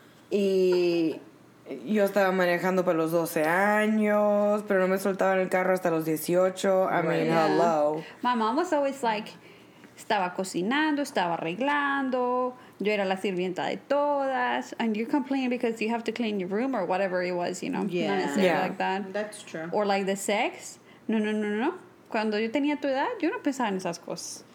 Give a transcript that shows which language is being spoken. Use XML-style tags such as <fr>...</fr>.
<es>Y yo estaba manejando para los 12 años, pero no me soltaba en el carro hasta los 18.</es> <en>Hello. My mom was always like,</en> <es>estaba cocinando, estaba arreglando, yo era la sirvienta de todas.</es> <en>And you complain because you have to clean your room or whatever it was, you know. Yeah. Not necessarily like that. That's true. Or like the sex. No.</en> <es>Cuando yo tenía tu edad, yo no pensaba en esas cosas.</es>